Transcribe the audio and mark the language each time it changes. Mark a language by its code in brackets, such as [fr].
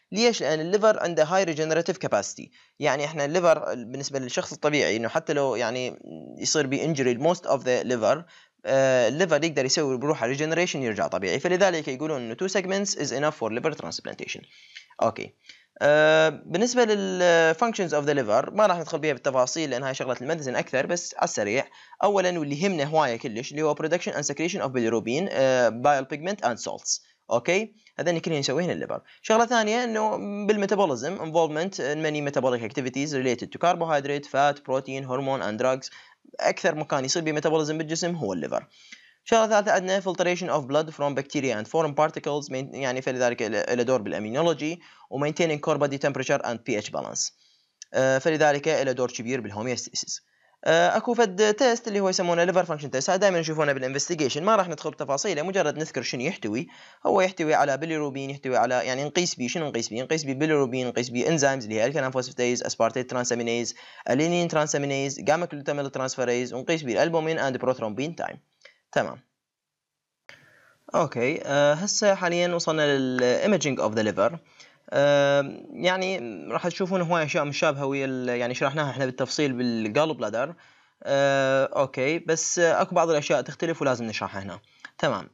[ar] ليش؟ لان الليفر عنده هاي ريجنريتيف كاباسيتي، يعني احنا الليفر بالنسبه للشخص الطبيعي انه حتى لو يعني يصير بي انجري الموست اوف ذا ليفر، الليفر يقدر يسوي بروحه ريجنريشن يرجع طبيعي. فلذلك يقولون انه [en] 2 segments is enough for liver transplantation. [ar] اوكي، بالنسبة للfunctions of the liver ما راح ندخل بيها بالتفاصيل لأن هاي شغلة المدزن أكثر، بس على السريع. أولاً واللي همنا هواية كلش اللي هو [en] production and secretion of bilirubin, bile pigment and salts. [ar] أوكي، هذا اللي كلنا نسويه هنا الليبر. شغلة ثانية إنه [en] بالmetabolism involvement in many metabolic activities related to carbohydrate, fat, protein, hormone and drugs. [ar] أكثر مكان يصير بmetabolism بالجسم هو الليبر. شغلة ثالثة عندنا [en] filtration of blood from bacteria and foreign particles، [ar] يعني فلذلك له دور بالامينولوجي، و [en] maintaining core body temperature and pH balance، [ar] فلذلك له دور كبير بالهوميستيسيس. اكو فد تيست اللي هو يسمونه liver function test، دائما نشوفونه بالانفستيجيشن، ما راح ندخل بتفاصيله، مجرد نذكر شنو يحتوي. هو يحتوي على bilirubin، يحتوي على يعني نقيس بيه. شنو نقيس بيه؟ نقيس بيه bilirubin، نقيس بيه enzymes اللي هي alkaline phosphatase, aspartate transaminase, alanine transaminase, gamma glutamyl transferase، ونقيس بيه albumin and prothrombin time، تمام. اوكي، هسه حاليا وصلنا للايمجينج اوف ذا ليفر. يعني راح تشوفون هواي اشياء مشابهه ويا يعني شرحناها احنا بالتفصيل بالجالو بلادر. اوكي، بس اكو بعض الاشياء تختلف ولازم نشرحها هنا، تمام.